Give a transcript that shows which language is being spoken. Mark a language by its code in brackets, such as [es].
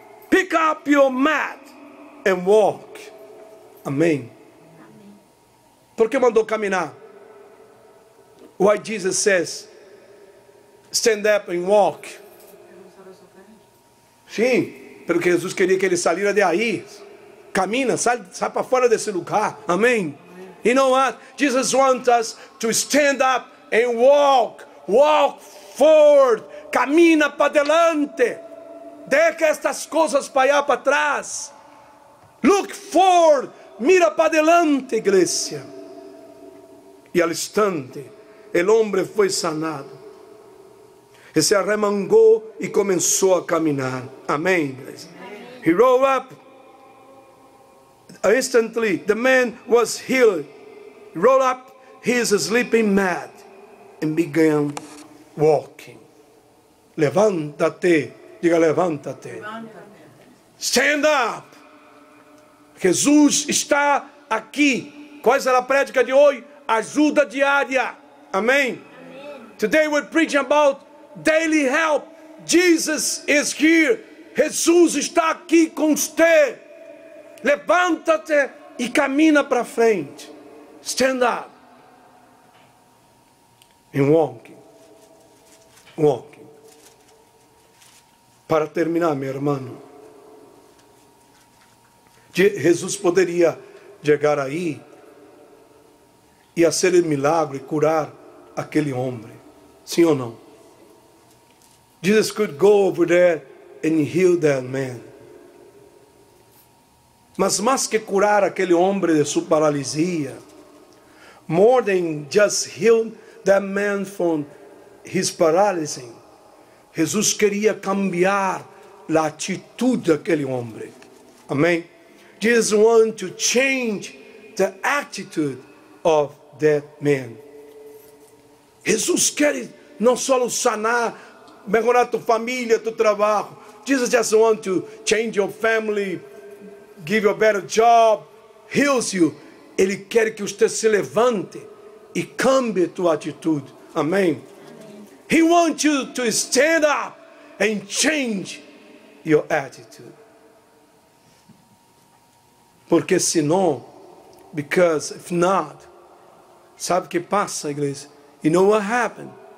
[en] Pick up your mat and walk. [pt] Amém. Por que mandou caminhar? [en] Why Jesus says, stand up and walk. [pt] Sim, porque Jesus queria que ele saísse de aí. Camina, sai para fora desse lugar. Amém. [en] You know what? Jesus wants us to stand up and walk. Walk forward. [es] Camina para delante. [pt] Deixa estas coisas para allá, para trás. [en] Look forward. [pt] Mira para delante, igreja. E al instante, o homem foi sanado. E se arremangou e começou a caminhar. Amém, igreja. [en] He rose up Instantly, the man was healed. Rolled up his sleeping mat and began walking. [pt] Levanta-te. Diga, levanta-te. [en] Stand up. [pt] Jesus está aqui. Qual será a prédica de hoje? Ajuda diária. Amém? [en] Today we're preaching about daily help. Jesus is here. [pt] Jesus está aqui com você. Levanta-te e camina para frente. [en] Stand up. And walking. Walking. [pt] Para terminar, meu irmão. Jesus poderia chegar aí e fazer o milagre, curar aquele homem. Sim ou não? [en] Jesus could go over there and heal that man. [pt] Mas mais que curar aquele homem de sua paralisia, [en] more than just heal that man from his paralysis, [pt] Jesus queria cambiar a atitude daquele homem. Amém? [en] Jesus want to change the attitude of that man. [pt] Jesus quer não só sanar, melhorar tua família, teu trabalho. [en] Jesus just want to change your family, give you a better job, heals you. [pt] Ele quer que você se levante e cambie tua atitude. Amém? [en] He wants you to stand up and change your attitude. [pt] Porque senão, [en] because if not, [pt] sabe o que passa, igreja? [en] You know what happened?